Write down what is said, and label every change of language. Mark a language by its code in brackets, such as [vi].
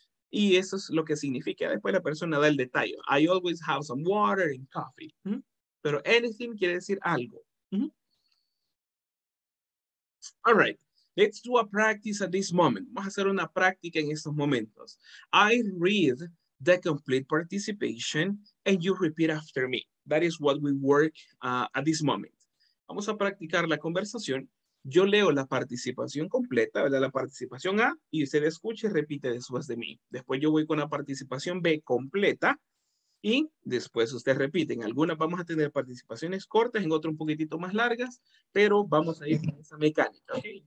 [es] Y eso es lo que significa. Después la persona da el detalle. [en] I always have some water and coffee. [es] ¿Mm? Pero anything quiere decir algo. ¿Mm? [en] All right. Let's do a practice at this moment. [es] Vamos a hacer una práctica en estos momentos. [en] I read the complete participation and you repeat after me. That is what we work at this moment. [es] Vamos a practicar la conversación. Yo leo la participación completa, ¿verdad? La participación A, y usted escucha y repite después de mí. Después yo voy con la participación B completa y después usted repite. En algunas vamos a tener participaciones cortas, en otras un poquitito más largas, pero vamos a ir con esa mecánica, ¿okay?